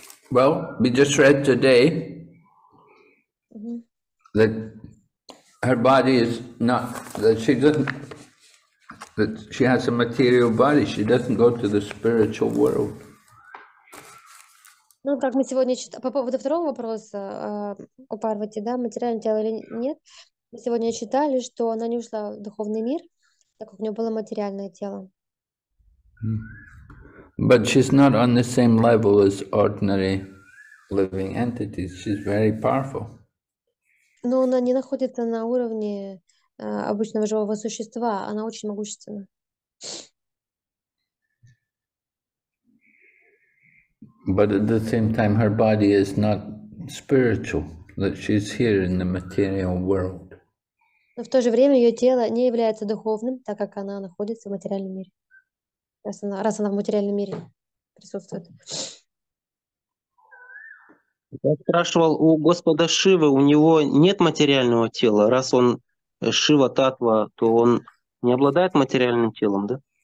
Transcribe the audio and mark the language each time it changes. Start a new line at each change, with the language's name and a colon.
English: Well, we just read today that her body is not, that she doesn't, that she has a material body, she doesn't go to the spiritual world.
Russian: Ну, как мы сегодня читали, по поводу второго вопроса о Парвати, да, материальное тело или нет, мы сегодня читали, что она не ушла в духовный мир, так как у нее было материальное тело.
English: But she's not on the same level as ordinary living entities, she's very powerful.
Russian: Но она не находится на уровне обычного живого существа, она очень могущественна.
English: But at the same time, her body is not spiritual, that she's here in the material world.
Russian: Но в то же время ее тело не является духовным, так как она находится в материальном мире. Раз она в материальном мире присутствует. Я спрашивал у Господа Шивы, у него нет материального тела. Раз он Шива Татва, то он не обладает материальным телом, да?